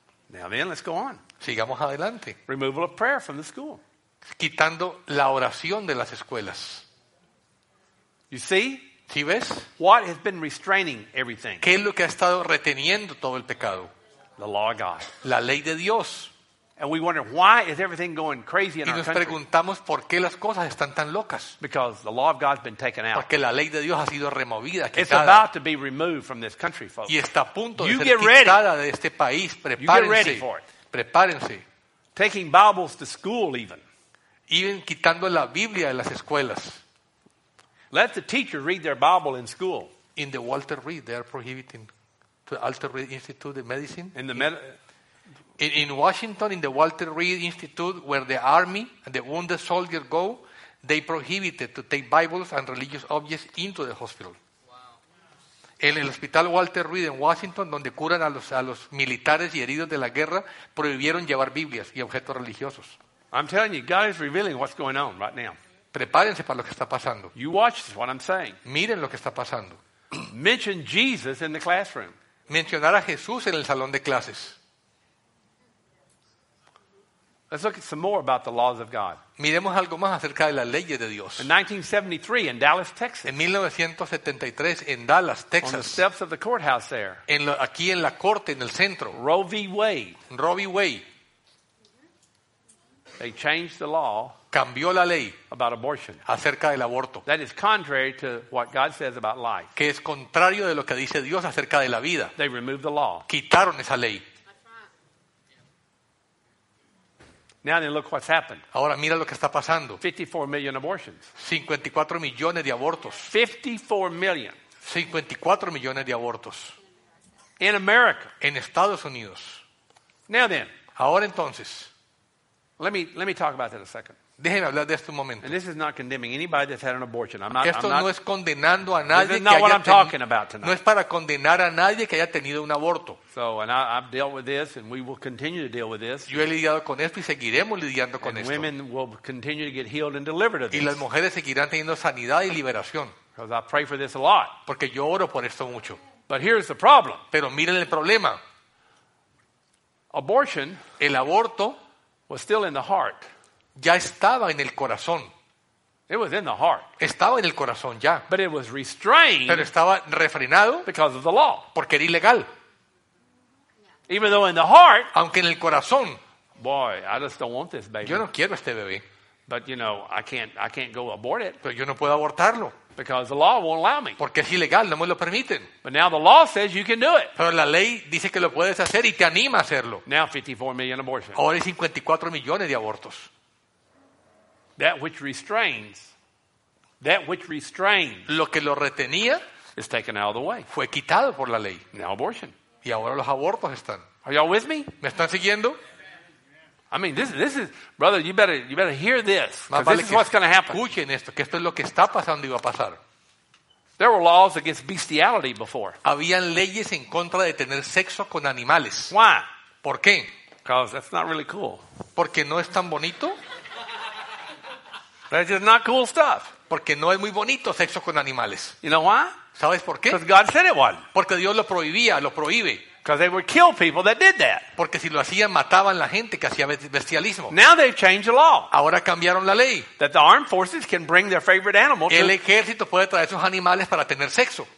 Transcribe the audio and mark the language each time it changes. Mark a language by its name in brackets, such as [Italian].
[English] Now then, let's go on. [Spanish] Sigamos adelante. [English] Removal of prayer from the school. [Spanish] Quitando la oración de las escuelas. [English] You see? [Spanish] ¿Sí ves? [English] What has been restraining everything? [Spanish] ¿Qué es lo que ha estado reteniendo todo el pecado? [English] The law of God. [Spanish] La ley de Dios. [English] And we wonder why is everything going crazy in our country? [Spanish] Y nos preguntamos por qué las cosas están tan locas. [English] Because the law of God's been taken out. [Spanish] Porque la ley de Dios ha sido removida, quitada. [English] It's about to be removed from this country, folks. [Spanish] Y está a punto de ser quitada de este país. Prepárense. [English] You get ready for it. [Spanish] Prepárense. [English] Taking Bibles to school, even. [Spanish] Even quitando la Biblia de las escuelas. [English] Let the teacher read their Bible in school. In the Walter Reed, they are prohibiting the Walter Reed Institute of Medicine. In the med. In Washington, in the Walter Reed Institute, where the army and the wounded soldiers go, they prohibited to take Bibles and religious objects into the hospital. Wow. [Spanish] En el hospital Walter Reed en Washington, donde curan a los militares y heridos de la guerra, prohibieron llevar Biblias y objetos religiosos. [English] I'm telling you, God is revealing what's going on right now. [Spanish] Prepárense para lo que está pasando. [English] You watch what I'm saying. [Spanish] Miren lo que está pasando. [English] Mention Jesus in the classroom. [Spanish] Mencionar a Jesús en el salón de clases. [English] Let's look at some more about the laws of God. [Spanish] Miremos algo más acerca de las leyes de Dios. [English] In 1973 in Dallas, Texas. [Spanish] En 1973 en Dallas, Texas. [English] On the steps of the courthouse there. [Spanish] Aquí en la corte, en el centro. [English] Roe v. Wade. They changed the law. [Spanish] Cambió la ley. [English] About abortion. [Spanish] Acerca del aborto. [English] That is contrary to what God says about life. [Spanish] Que es contrario de lo que dice Dios acerca de la vida. [English] They removed the law. [Spanish] Quitaron esa ley. [English] Now then, look what's happened. [Spanish] Ahora mira lo que está pasando. [English] 54 million abortions. [Spanish] 54 millones de abortos. [English] 54 million. [Spanish] 54 millones de abortos. [English] In America. [Spanish] En Estados Unidos. [English] Now then. [Spanish] Ahora entonces. [English] Let me talk about that a second. [Spanish] Déjenme hablar de esto un momento. [English] And this is not condemning anybody that's had an abortion. I'm not. [Spanish] Esto [English] I'm not, [Spanish] no es condenando a nadie [English] this is [Spanish] que [English] not [Spanish] haya [English] what I'm talking about tonight. [Spanish] No es para condenar a nadie que haya tenido un aborto. [English] So, and I've dealt with this, and we will continue to deal with this. [Spanish] Yo he lidiado con esto y seguiremos lidiando con [English] and [Spanish] esto. [English] Women will continue to get healed and delivered of this. [Spanish] Y las mujeres seguirán teniendo sanidad y liberación. [English] Because I pray for this a lot. [Spanish] Porque yo oro por esto mucho. [English] But here's the problem. [Spanish] Pero miren el problema. [English] Abortion. [Spanish] El aborto [English] was still in the heart. [Spanish] Ya estaba en el corazón. [English] It was in the heart. [Spanish] Estaba en el corazón ya. [English] But it was restrained. [Spanish] Pero estaba refrenado. [English] Because of the law. [Spanish] Porque era ilegal. [English] Even though in the heart. [Spanish] Aunque en el corazón. [English] Boy, I just don't want this baby. [Spanish] Yo no quiero este bebé. [English] But you know, I can't go abort it. [Spanish] Pero yo no puedo abortarlo. [English] Because the law won't allow me. [Spanish] Porque es ilegal, no me lo permiten. [English] But now the law says you can do it. [Spanish] Pero la ley dice que lo puedes hacer y te anima a hacerlo. [English] Now 54 million abortions. [Spanish] Ahora hay 54 millones de abortos. [English] That which restrains, [Spanish] lo que lo retenía, [English] is taken out of the way. [Spanish] Fue quitado por la ley. [English] Now abortion. [Spanish] Y ahora los abortos están. [English] Are y'all with me? [Spanish] ¿Me están siguiendo? [English] I mean, this is, brother, you better hear this. [Spanish] Más vale [English] this is what's going to happen. [Spanish] Escuchen esto, que esto es lo que está pasando y va a pasar. [English] There were laws against bestiality before. [Spanish] Habían leyes en contra de tener sexo con animales. [English] Why? [Spanish] ¿Por qué? [English] Because that's not really cool. [Spanish] Porque no es tan bonito. [English] That's just not cool stuff. [Spanish] Porque no es muy bonito sexo con animales. [English] You know why? [Spanish] ¿Sabes por qué? [English] Because God said it was. [Spanish] Porque Dios lo prohíbe. [English] Because they would kill people that did that. [Spanish] Porque si lo hacían, mataban la gente que hacía bestialismo. [English] Now they've changed the law. [Spanish] Ahora cambiaron la ley. [English] That the armed forces can bring their favorite animal. [Spanish] El ejército puede traer sus animales para tener sexo.